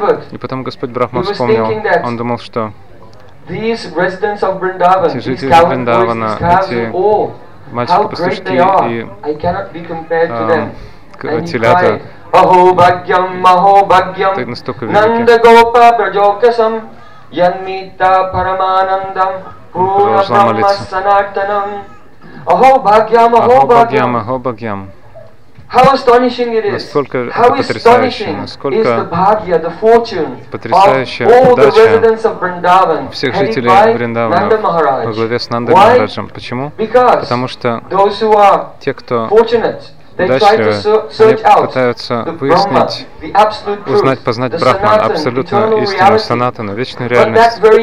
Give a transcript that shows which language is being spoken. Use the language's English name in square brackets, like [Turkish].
[Russian] И потом Господь Брахма вспомнил, он думал, что эти жители Вриндавана, эти мальчики-пастушки и телята, так настолько великие. Продолжал молиться. [Sanskrit] Ахо Бхагьям, Ахо Бхагьям. [English] How astonishing it is! [Russian] Насколько [English] how astonishing is the bhagya, the fortune of all the residents of Vrindavan, [Russian] всех жителей Вриндавана, во главе с Нанда Махараджем? Почему? Потому что те, кто удачливы, они пытаются выяснить, узнать, познать Брахман, абсолютную истину, санатану, вечную реальность.